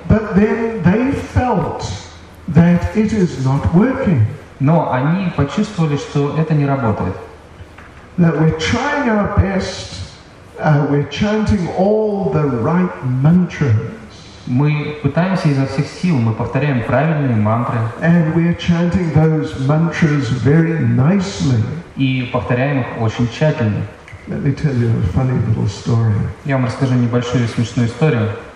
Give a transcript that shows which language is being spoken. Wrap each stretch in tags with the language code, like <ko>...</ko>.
<en>But then they felt that it is not working.</en> <ru>Но они почувствовали, что это не работает.</ru> <en>That we're trying our best, we're chanting all the right mantras.</en> <ru>Мы пытаемся изо всех сил, мы повторяем правильные мантры.</ru> <en>And we're chanting those mantras very nicely.</en> <ru>И повторяем их очень тщательно.</ru> <en>Let me tell you a funny little story.</en> <ru>Я вам расскажу небольшую смешную историю.</ru>